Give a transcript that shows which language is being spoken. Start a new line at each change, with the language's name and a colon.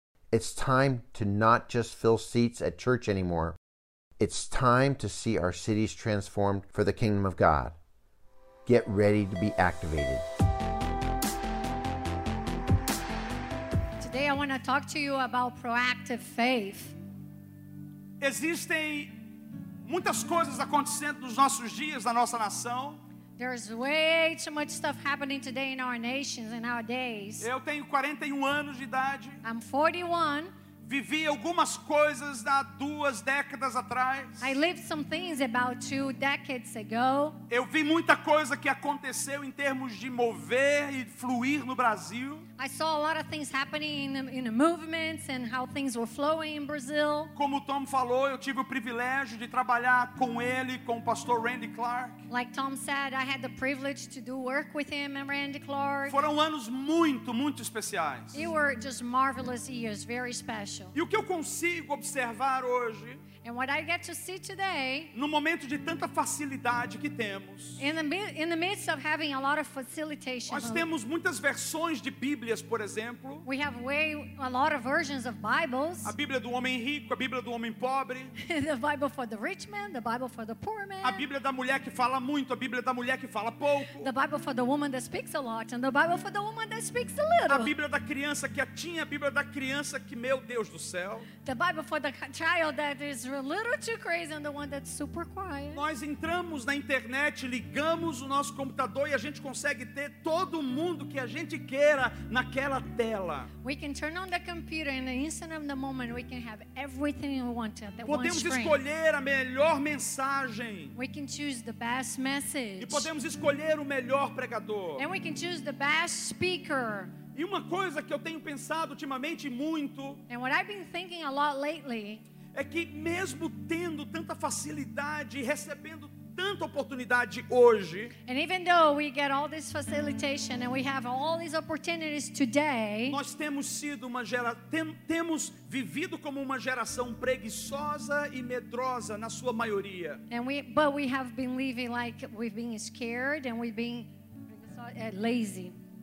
English: It's time to not just fill seats at church anymore. It's time to see our cities transformed for the kingdom of God. Get ready to be activated. Today I want to talk to you about proactive faith.
Portuguese: Existem muitas coisas acontecendo nos nossos dias, na nossa nação.
English: There's way too much stuff happening today in our nations and our days.
Portuguese: Eu tenho 41 anos de idade.
English: I'm 41.
Portuguese: Vivi algumas coisas há duas décadas atrás.
English: I lived some things about two decades ago.
Portuguese: Eu vi muita coisa que aconteceu em termos de mover e fluir no Brasil.
English: I saw a lot of things happening in the movements and how things were flowing in Brazil.
Portuguese: Como o Tom falou, eu tive o privilégio de trabalhar com ele, com o pastor Randy Clark.
English: Like Tom said, I had the privilege to do work with him and Randy Clark.
Portuguese: Foram anos muito, muito especiais.
English: They were just marvelous years, very special.
Portuguese: E o que eu consigo observar hoje?
English: And what I get to see today,
Portuguese: no momento de tanta facilidade que temos,
English: in the midst of having a lot of facilitation,
Portuguese: nós temos muitas versões de Bíblias, por exemplo.
English: We have a lot of versions of Bibles.
Portuguese: A Bíblia do homem rico, a Bíblia do homem pobre.
English: The Bible for the rich man, the Bible for the poor man.
Portuguese: A Bíblia da mulher que fala muito, a Bíblia da mulher que fala pouco.
English: The Bible for the woman that speaks a lot, and the Bible for the woman that speaks a little.
Portuguese: A Bíblia da criança que tinha, a Bíblia da criança que, meu Deus do céu.
English: The Bible for the child that is a little too crazy and the one that's super quiet.
Portuguese: Nós entramos na internet, ligamos o nosso computador e a gente consegue ter todo mundo que a gente queira naquela tela.
English: We can turn on the computer and in the instant of the moment we can have everything we want at that one screen.
Portuguese: Podemos escolher a melhor mensagem.
English: We can choose the best message.
Portuguese: E podemos escolher o melhor pregador.
English: And we can choose the best speaker.
Portuguese: E uma coisa que eu tenho pensado ultimamente muito,
English: and what I've been thinking a lot lately,
Portuguese: é que mesmo tendo tanta facilidade e recebendo tanta oportunidade hoje,
English: and even though we get all this facilitation and we have all these opportunities today,
Portuguese: nós temos sido uma temos vivido como uma geração preguiçosa e medrosa na sua maioria.
English: And we have been living like we've been scared and we've been lazy.